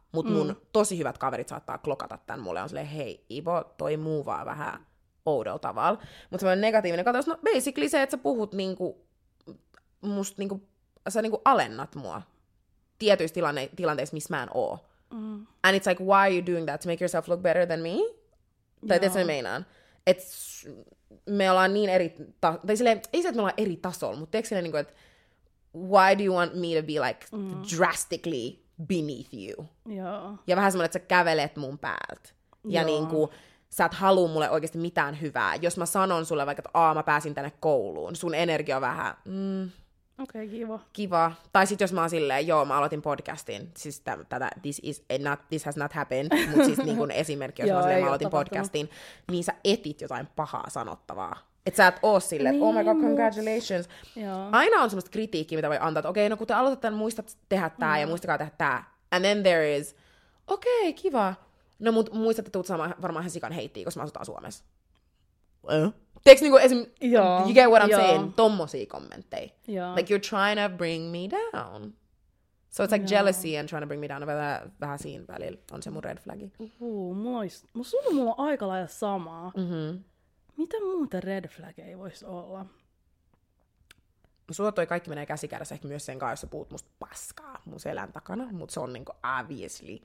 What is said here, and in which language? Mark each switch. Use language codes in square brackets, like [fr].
[fi] Mutta mun tosi hyvät kaverit saattaa klokata tämän mulle. On silleen, hei Ivo, toi muu vaan vähän oudolla tavalla. Mutta semmoinen negatiivinen kateus, no basically se, että sä puhut niinku, musta niinku, sä niinku alennat mua tietyissä tilanteissa, missä mä en oo. [en] And it's like, why are you doing that? To make yourself look better than me? [fi] Tai tietysti meinaan. Että me ollaan niin eri, tai silleen, ei se, että me ollaan eri tasolla, mutta tiedätkö silleen, että [en] why do you want me to be like drastically beneath you? [fi] Joo. Ja vähän semmoinen, että sä kävelet mun päältä. Ja niin kuin, sä et halua mulle oikeasti mitään hyvää. Jos mä sanon sulle vaikka, että mä pääsin tänne kouluun, sun energia on vähän, okei, okay, kiva. Kiva. Tai sit jos mä oon silleen, joo, mä aloitin podcastin. Siis tätä, [en] this has not happened, [fi] mutta siis niin kuin esimerkki, jos mä aloitin podcastin, niin sä etit jotain pahaa sanottavaa. Et sä et oo silleen, niin, [en] oh my god, congratulations. [fi] Aina on semmoista kritiikkiä, mitä voi antaa, että okei, okay, no kun te aloitat tämän, muistat tehdä tää ja muistakaa tehdä tää. [en] And then there is, [fi] okei, okay, kiva. No mut muistat, että tuut saamaan varmaan ihan sikan heittiä, koska mä asutaan Suomessa. Teeks niinku esim. Joo. [en] You get what I'm saying? [fi] Tommosia kommentteja. [en] Like you're trying to bring me down. So it's like jealousy and trying to bring me down. [fi] Vähän siinä välillä on se mun red flagi. Mulla on aika lailla samaa. Mhm. Mitä muuta red flaggeja voisi olla? Sulla toi kaikki menee käsikädessä ehkä myös sen kanssa, jos sä puhut musta paskaa mun selän takana, mutta se on niinku obviously.